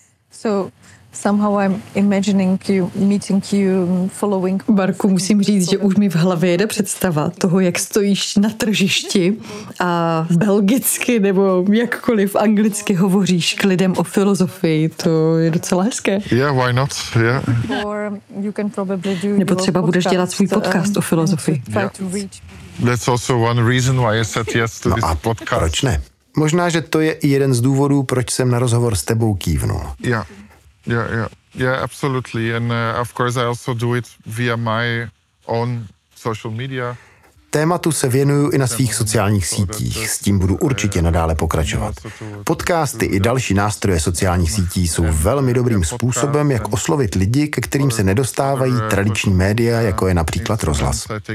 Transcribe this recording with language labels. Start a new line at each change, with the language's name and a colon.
English: So somehow I'm imagining you meeting you following.
Czech: Marku, musím říct, že už mi v hlavě jede představa toho, jak stojíš na tržišti a belgicky nebo jakkoliv anglicky hovoříš k lidem o filozofii. To je docela hezké.
English: Yeah, why not? Yeah. Or you can probably do.
Czech: Nebo třeba budeš dělat svůj podcast o filozofii.
English: Yeah. That's also one reason why I said yes to this podcast.
Czech: Proč ne? Možná, že to je i jeden z důvodů, proč jsem na rozhovor s tebou kývnul.
English: Yeah. Yeah, absolutely. And of course I also do it via my own social media.
Czech: Tématu se věnuju i na svých sociálních sítích, s tím budu určitě nadále pokračovat. Podcasty i další nástroje sociálních sítí jsou velmi dobrým způsobem, jak oslovit lidi, ke kterým se nedostávají tradiční média, jako je například rozhlas.